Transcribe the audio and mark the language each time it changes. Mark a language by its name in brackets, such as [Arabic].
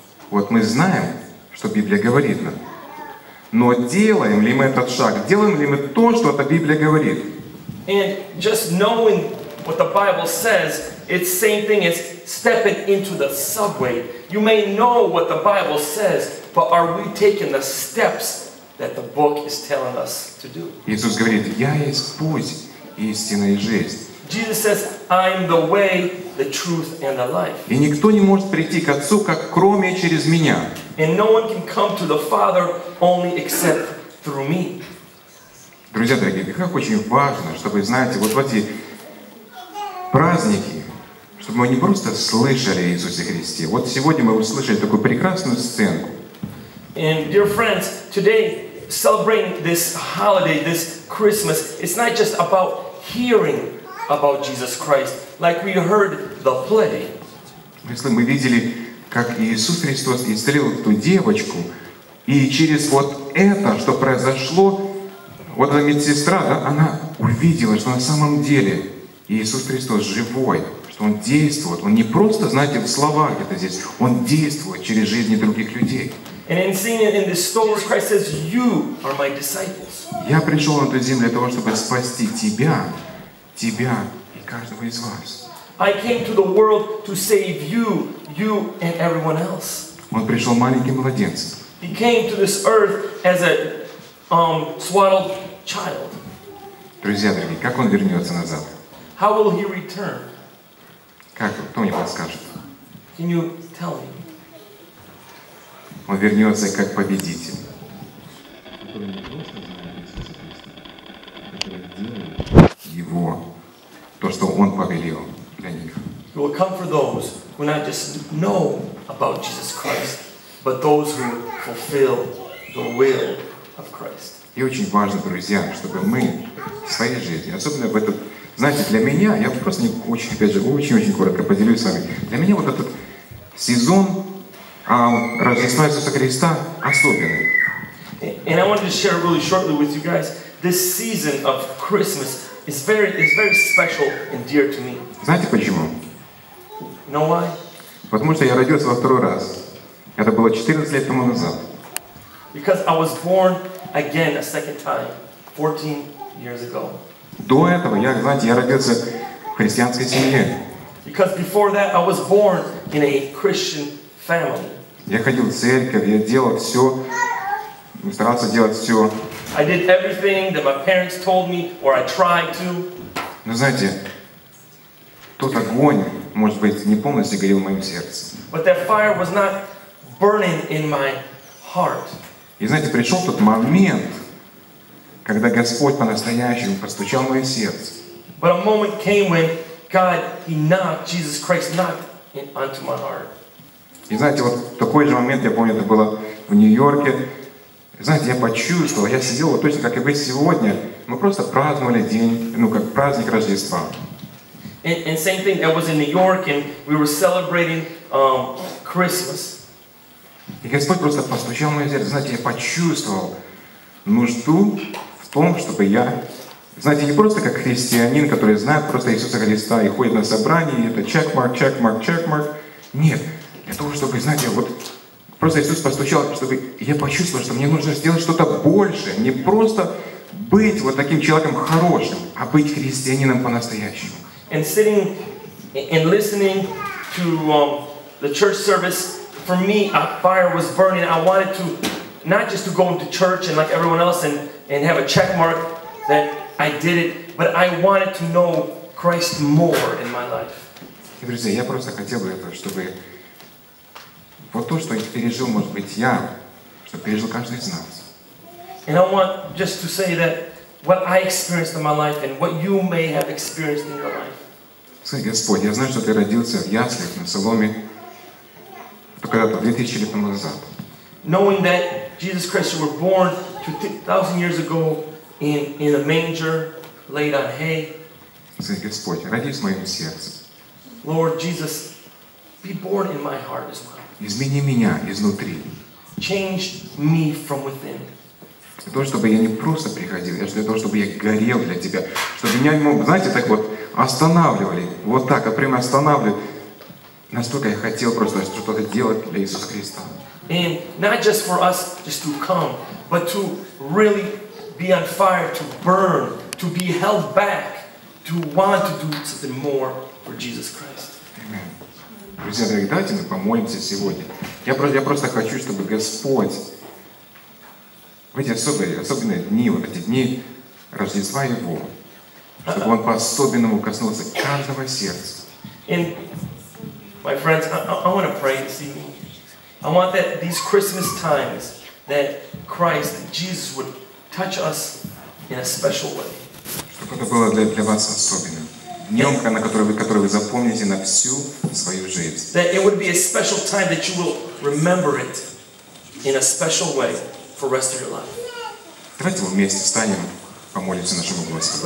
[Russian] Вот мы знаем, что Библия говорит нам. Но делаем ли мы этот шаг? Делаем ли мы то, что эта Библия говорит? [English] And just knowing what the Bible says, it's same thing as stepping into the subway. You may know what the Bible says, but are we taking the steps that the book is telling us to do? [Russian] Иисус говорит: "Я есть путь, истина и жизнь." [English] Jesus says, "I am the way, the truth, and the life." [Russian] И никто не может прийти к Отцу, как кроме через меня. [English] And no one can come to the Father only except through me. [Russian] Друзья дорогие, как очень важно, чтобы, знаете, вот в эти праздники, чтобы мы не просто слышали о Иисусе Христе. Вот сегодня мы услышали такую прекрасную сценку. [English] And dear friends, today celebrating this holiday, this Christmas, it's not just about hearing about Jesus Christ, like we heard the play. [Russian] Если мы видели, как Иисус Христос исцелил эту девочку, и через вот это, что произошло, вот эта медсестра, да, она увидела, что на самом деле Иисус Христос живой, что Он действует. Он не просто, знаете, в словах где-то здесь, Он действует через жизни других людей. [English] And in seeing it in this story, Christ says, "You are my disciples." [Russian] Я пришел на эту землю для того, чтобы спасти тебя, тебя и каждого из вас. [English] I came to the world to save you, you and everyone else. [Russian] Он пришел маленьким младенцем. [English] He came to this earth as a swaddled child. [Russian] Друзья дорогие, как он вернется назад? [English] How will he return? [Russian] Как? Кто мне подскажет? [English] Can you tell me? [Russian] Он вернется как победитель, который не просто знает Иисуса Христа, который делает Его, то, что Он повелел для них. [English] He will come for those who not just know about Jesus Christ, but those who fulfill the will of Christ. [Russian] И очень важно, друзья, чтобы мы в своей жизни, особенно в этот, знаете, для меня, я просто очень, опять же, очень-очень коротко поделюсь с вами, для меня вот этот сезон, Рождество Иисуса Христа особенное. [English] And I wanted to share really shortly with you guys, this season of Christmas is very special and dear to me. [Russian] Знаете почему? [English] Know why? [Russian] Потому что я родился во второй раз. Это было 14 лет тому назад. [English] Because I was born again a second time, 14 years ago. [Russian] До этого я, знаете, я родился в христианской семье. [English] Because before that I was born in a Christian family. [Russian] Я ходил в церковь, я делал все, старался делать все. [English] I did everything that my parents told me, or I tried to. [Russian] Но знаете, тот огонь, может быть, не полностью горел в моем сердце. [English] But that fire was not burning in my heart. [Russian] И знаете, пришел тот момент, когда Господь по-настоящему постучал в мое сердце. [English] But a moment came when God, He knocked, Jesus Christ knocked onto my heart. [Russian] И знаете, вот такой же момент, я помню, это было в Нью-Йорке. Знаете, я почувствовал, я сидел, вот точно как и вы сегодня, мы просто праздновали день, ну, как праздник Рождества. [English] And same thing, I was in New York, and we were celebrating Christmas. [Russian] И Господь просто постучал в мое сердце, знаете, я почувствовал нужду в том, чтобы я, знаете, не просто как христианин, который знает просто Иисуса Христа и ходит на собрание, и это чекмарк, чекмарк, чекмарк, нет. Для того, чтобы, знаете, вот просто Иисус постучал, чтобы я почувствовал, что мне нужно сделать что-то большее. Не просто быть вот таким человеком хорошим, а быть христианином по-настоящему. [English] And sitting and listening to the church service, for me, a fire was burning. I wanted to, not just to go into church and like everyone else and have a check mark that I did it, but I wanted to know Christ more in my life. [Russian] И, друзья, я просто хотел бы это, чтобы вот то, что пережил, может быть, я, что пережил каждый из нас. [English] And I want just to say that what I experienced in my life and what you may have experienced in your life. [Russian] Сын Господь, я знаю, что ты родился в яслях на Соломе когда-то 2000 лет назад. [English] Knowing that Jesus Christ, you were born 2000 years ago in a manger laid on hay. [Russian] Сын Господь, родись в моем сердце. [English] Lord Jesus, be born in my heart as well. [Russian] Измени меня изнутри. [English] Change me from within. [Russian] Для того, чтобы я не просто приходил, а для того, чтобы я горел для тебя. Чтобы меня не мог, знаете, так вот останавливали. Вот так, а прямо останавливали. Настолько я хотел просто что-то делать для Иисуса Христа. [English] And not just for us just to come, but to really be on fire, to burn, to be held back, to want to do something more for Jesus Christ. Amen. [Russian] Друзья дорогие, давайте мы помолимся сегодня. Я просто хочу, чтобы Господь в эти особые, особенные дни, вот эти дни Рождества Его, чтобы Он по-особенному коснулся каждого сердца. [English] And my friends, I want to pray this evening. I want that these Christmas times that Christ, Jesus would touch us in a special way. [Russian] Чтобы это было для вас особенным. Днем, на который вы запомните на всю свою жизнь. [English] That it would be a special time that you will remember it in a special way for the rest of your life. [Russian] Давайте вместе встанем, помолимся нашему Господу.